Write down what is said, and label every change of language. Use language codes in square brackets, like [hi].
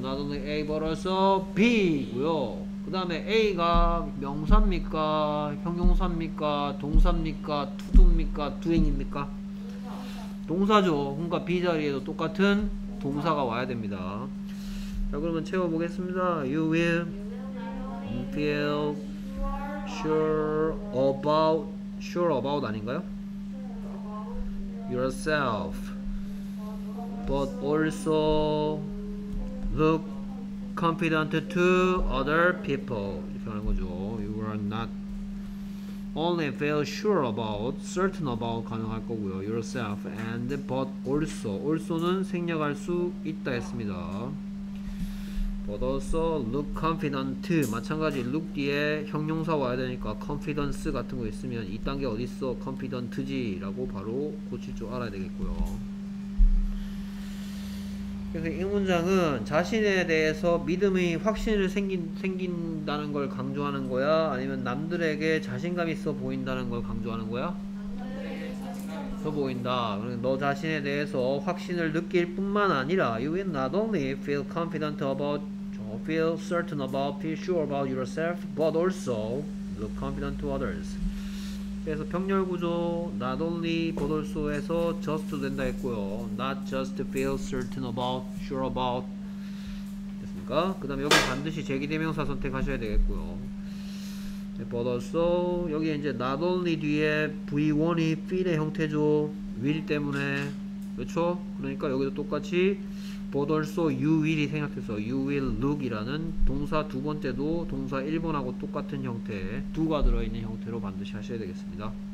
[ko] 나도는 A 벌어서 B고요. 그 다음에 A가 명사입니까? 형용사입니까? 동사입니까? 투두입니까? 두행입니까? 동사죠. 그러니까 B 자리에도 똑같은 동사가 와야 됩니다. 자, 그러면 채워보겠습니다. [en] You will feel sure about, sure about 아닌가요? yourself, but also look confident to other people. [ko] 이렇게 하는 거죠. [en] You are not only feel sure about, certain about 가능할 거고요. [ko] yourself and but also. also는 생략할 수 있다 했습니다. but also look confident. 마찬가지 look 뒤에 형용사 와야 되니까 confidence 같은 거 있으면 이딴 게 어딨어? confident지 라고 바로 고칠 줄 알아야 되겠고요. 그래서 이 문장은 자신에 대해서 믿음이 확신을 생긴다는 걸 강조하는 거야? 아니면 남들에게 자신감 있어 보인다는 걸 강조하는 거야? 더 보인다. [en] 너 자신에 대해서 확신을 느낄 뿐만 아니라 You will not only feel confident about feel certain about feel sure about yourself but also look confident to others. [ko] 그래서 병렬구조 not only but also에서 just 된다 했고요. [en] not just feel certain about sure about 됐습니까? [ko] 그 다음에 여기 반드시 제기대명사 선택하셔야 되겠고요. but also 여기 이제 not only 뒤에 v1이 feel의 형태죠. will 때문에 그렇죠? 그러니까 여기도 똑같이 but also you will이 생각해서 you will look이라는 동사 두 번째도 동사 1번하고 똑같은 형태에 두가 들어있는 형태로 반드시 하셔야 되겠습니다.